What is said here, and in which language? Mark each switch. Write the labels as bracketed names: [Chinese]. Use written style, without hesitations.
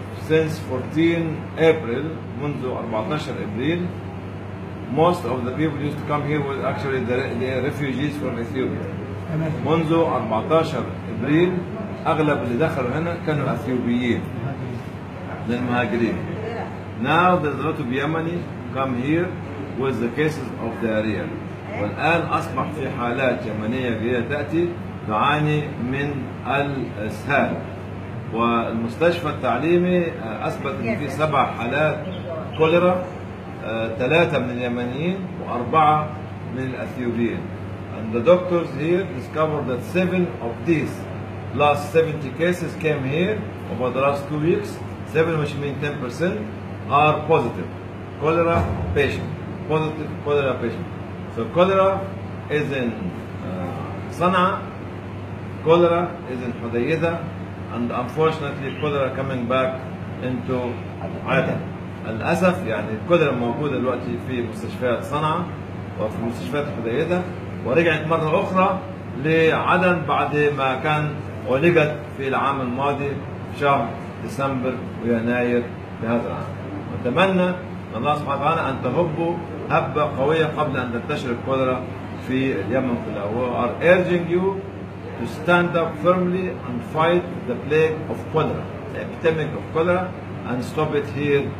[English] Since 14 April, [Arabic] منذ 14 أبريل, [English] most of the people used to come here were actually the refugees from Ethiopia. [Arabic] منذ 14 أبريل, أغلب اللي دخلوا هنا كانوا أثيوبيين. للمهاجرين. [English] Now there's a lot of Yemeni come here with the cases of diarrhea. [Arabic] والآن أصبح في حالات يمنية كثيرة تأتي تعاني من الإسهال. والمستشفى التعليمي أثبت أن في 7 حالات كوليرا، 3 من اليمنيين و4 من الأثيوبيين. [English] And the doctors here discovered that 7 of these last 70 cases came here over the last 2 weeks. 7 which means 10% are positive cholera patient. Positive cholera patient. So cholera is in Sana'a, cholera is in Hudaydah, and unfortunately cholera coming back into Aden. [Arabic] للأسف يعني الكوليرا موجودة دلوقتي في مستشفيات صنعاء وفي مستشفيات حديدة، ورجعت مرة أخرى لعدن بعد ما كان أولقت في العام الماضي شهر ديسمبر ويناير بهذا العام. نتمنى من الله سبحانه وتعالى أن تهب هبة قوية قبل أن تنتشر الكوليرا في اليمن كله. [English] We are urging you to stand up firmly and fight the plague of cholera, the epidemic of cholera, and stop it here.